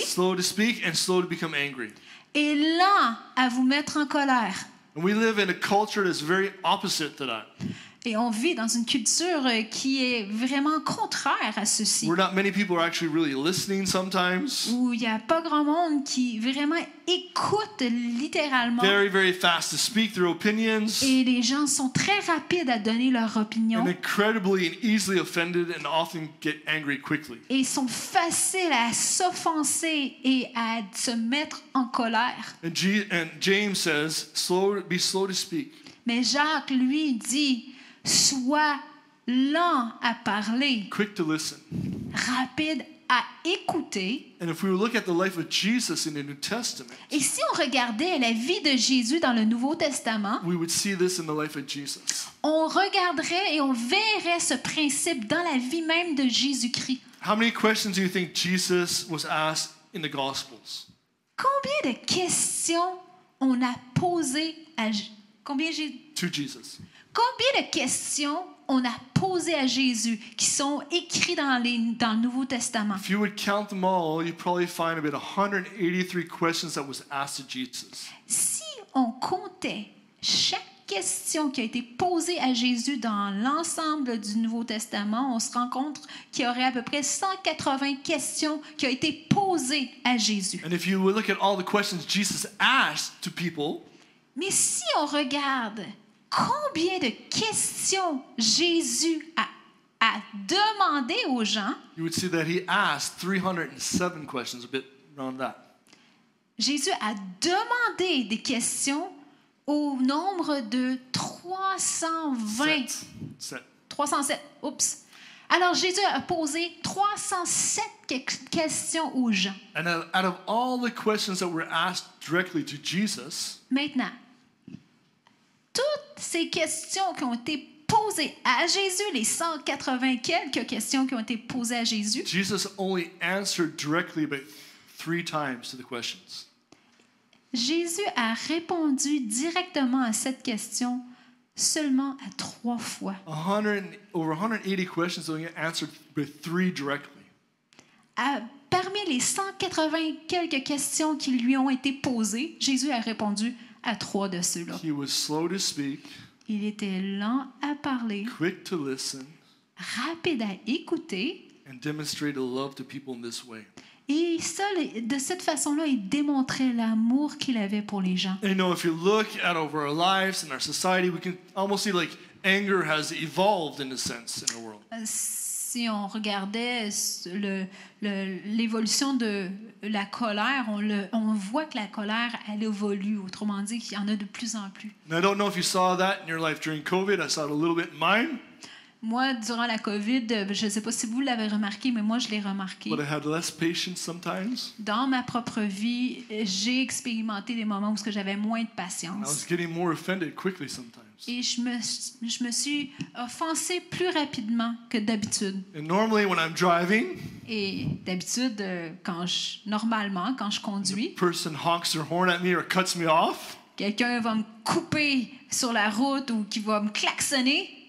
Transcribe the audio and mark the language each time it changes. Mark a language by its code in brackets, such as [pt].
[en] Slow to speak and slow to become angry. [fr] Et lent à vous mettre en colère. [en] And we live in a culture that's very opposite to that. [fr] Et on vit dans une culture qui est vraiment contraire à ceci. [en] We're not many people are actually really listening sometimes. [fr] Où il n'y a pas grand monde qui vraiment écoute littéralement. [en] Very, very fast to speak their opinions. [fr] Et les gens sont très rapides à donner leur opinion. [en] And incredibly and easily offended and often get angry quickly. [fr] Et sont faciles à s'offenser et à se mettre en colère. [en] And James says, be slow to speak. [fr] Mais Jacques, lui, dit... Sois lent à parler. [en] Quick to listen. [fr] Rapide à écouter. [en] And if we look at the life of Jesus in the New Testament. [fr] Et si on regardait la vie de Jésus dans le Nouveau Testament. [en] We would see this in the life of Jesus. [fr] On regarderait et on verrait ce principe dans la vie même de Jésus-Christ. [en] How many questions do you think Jesus was asked in the Gospels? [fr] Combien de questions on a posé à combien j'ai [en] to Jesus? [fr] Combien de questions on a posées à Jésus qui sont écrites dans le Nouveau Testament? [en] If you would count them all, you'd probably find about 183 questions that was asked to Jesus. [fr] Si on comptait chaque question qui a été posée à Jésus dans l'ensemble du Nouveau Testament, on se rend compte qu'il y aurait à peu près 180 questions qui ont été posées à Jésus. [en] And if you would look at all the questions Jesus asked to people, [fr] mais si on regarde combien de questions Jésus a demandé aux gens? [en] You would see that he asked 307 questions, a bit around that. [fr] Jésus a demandé des questions au nombre de 320. Sept. 307. Oups. Alors Jésus a posé 307 questions aux gens. [en] And out of all the questions that were asked directly to Jesus. [fr] Maintenant. Toutes ces questions qui ont été posées à Jésus, les 180 quelques questions qui ont été posées à Jésus. [en] Jesus only answered directly about three times to the questions. [fr] Jésus a répondu directement à cette question seulement à trois fois. [en] Over 180 questions only answered but three directly. [fr] Parmi les 180 quelques questions qui lui ont été posées, Jésus a répondu à trois de ceux-là. [en] He was slow to speak, [fr] il était lent à parler, [en] quick to listen, [fr] rapide à écouter, [en] and demonstrated love to people in this way. [fr] Et seul, de cette façon-là, il démontrait l'amour qu'il avait pour les gens. [en] You know, if you look at over our lives and our society, we can almost see like anger has evolved in a sense in the world. [fr] si on regardait l'évolution de la colère, on voit que la colère, elle évolue. Autrement dit, il y en a de plus en plus. [en] I don't know if you saw that in your life during COVID. I saw it a little bit in mine. [fr] Moi, durant la COVID, je ne sais pas si vous l'avez remarqué, mais moi, je l'ai remarqué. [en] But I had less patience sometimes. [fr] Dans ma propre vie, j'ai expérimenté des moments où j'avais moins de patience. [en] I was getting more offended quickly sometimes. [fr] Et je me suis offensée plus rapidement que d'habitude. [en] And normally, when I'm driving, [fr] et d'habitude, quand je conduis, [en] a person honks their horn at me or cuts me off, [fr] quelqu'un va me couper sur la route ou qui va me klaxonner.